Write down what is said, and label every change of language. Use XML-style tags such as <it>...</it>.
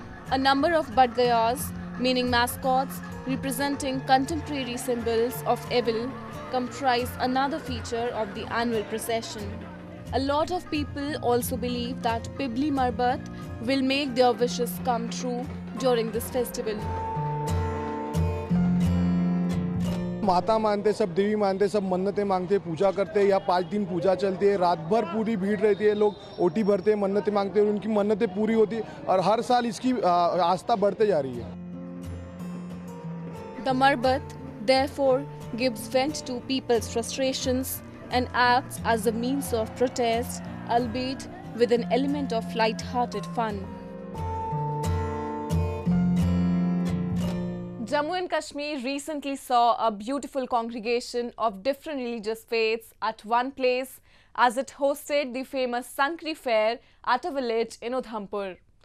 <en>A number of badgayas, meaning mascots, representing contemporary symbols of evil, comprise another feature of the annual procession. A lot of people also believe that Pibli Marbat will make their wishes come true during this festival.</en> <hi>माता मानते सब देवी मानते सब मन्नतें मांगते पूजा करते हैं या पांच दिन पूजा चलती है रात भर पूरी भीड़ रहती है लोग ओटी भरते हैं मन्नतें मांगते हैं और उनकी मन्नतें पूरी होती है और हर साल इसकी आस्था बढ़ते जा रही है।</hi> <en>The Marbat, therefore, gives vent to people's frustrations and acts as a means of protest, albeit with an element of light-hearted fun. Jammu and Kashmir recently saw a beautiful congregation of different religious faiths at one place as it hosted the famous Sankri Fair at a village in Udhampur.</en>